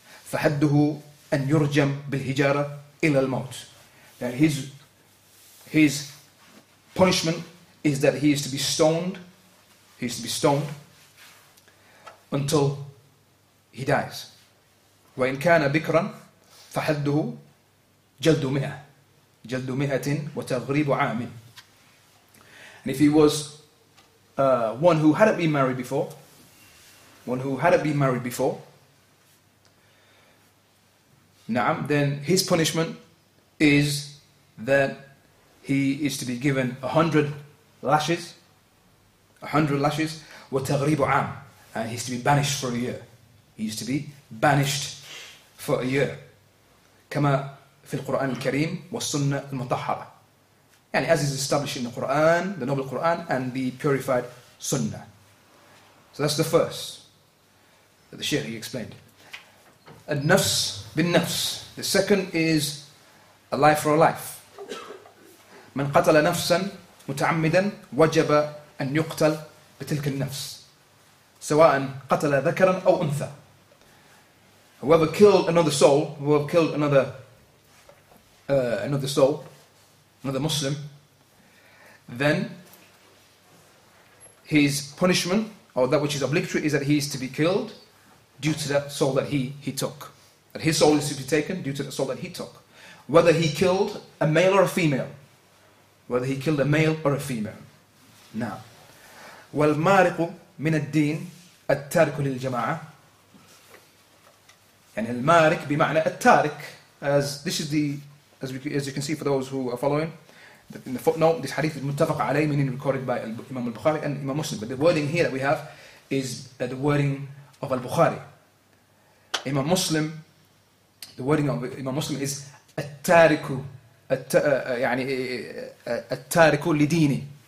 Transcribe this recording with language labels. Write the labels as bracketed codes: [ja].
[ar] فحده أن يرجم بالهجارة إلى الموت. [en] That his punishment is that he is to be stoned, he is to be stoned until he dies. [ar] وإن كان بكرا فحده جلد مئة جلد مئة وتغريب عام. [en] And if he was one who hadn't been married before, one who hadn't been married before, نعم, then his punishment is that he is to be given 100 lashes, [ar] وتغريب عام, [en] and he's to be banished for a year. He's to be banished for a year. [ar] كما في القرآن الكريم والسنة المطهرة. [en] And as is established in the Quran, the noble Quran, and the purified Sunnah. So that's the first that the Shaykh explained. [ar] An-nafs bin-nafs. [en] The second is a life for a life. [ar] من قتل نفسا متعمدا وجب أن يقتل بتلك النفس. سواء قتل ذكرا أو أنثى. [en] Whoever killed another soul, whoever killed another Muslim, then his punishment, or that which is obligatory, is that he is to be killed due to that soul that he took. That his soul is to be taken due to the soul that he took. Whether he killed a male or a female. Whether he killed a male or a female. [ar] Now, والمارق من الدين التارك للجماعة. And المارق بمعنى التارك. [en] As this is the, as you can see for those who are following, in the footnote, this hadith is متفق عليه, meaning recorded by Imam al-Bukhari and Imam Muslim. But the wording here that we have is the wording of al-Bukhari. Imam Muslim, the wording of Imam Muslim is [ar] التارك لديني.